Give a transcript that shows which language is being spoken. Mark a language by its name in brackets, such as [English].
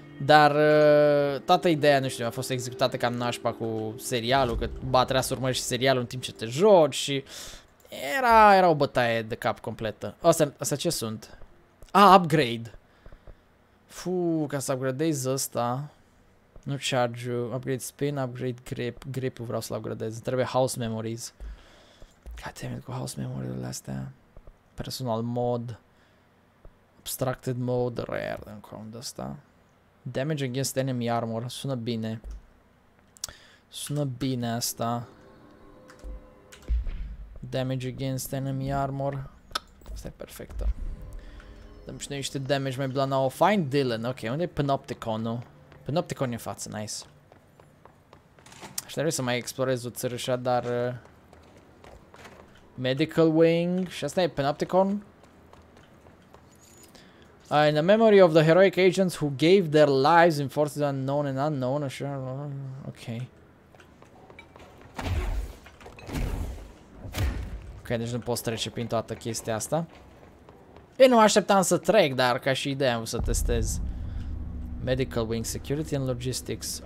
[Romanian] Dar toată ideea, nu știu, a fost executată cam nașpa cu serialul, că ba, trebuia să urmărești serialul în timp ce te joci și era o bătaie de cap completă. Asta ce sunt? Ah, upgrade. Fuuu, ca să upgradez ăsta. Nu charge-ul, upgrade spin, upgrade grip. Grip-ul vreau să-l upgradez, trebuie house memories. Goddammit, cu house memory-urile astea. Personal mod. [English] Abstracted mode, [Romanian] rare, încă unde ăsta. [English] Damage against enemy armor, [Romanian] sună bine. Sună bine asta. [English] Damage against enemy armor. [Romanian] Asta e perfectă. Dăm și noi niște damage mai blana. O find Dylan, ok, unde e Panopticonul? Panopticon e în față, nice. Aș trebui să mai explorez o țărâșa, dar medical wing. Și asta e Panopticon? [English] In the memory of the heroic agents who gave their lives in forces unknown and unknown, sure, okay. [Romanian] Ok, deci nu pot trece prin toată chestia asta. Eu nu așteptam să trec, dar ca și idee am să testez. [English] Medical wing, security and logistics.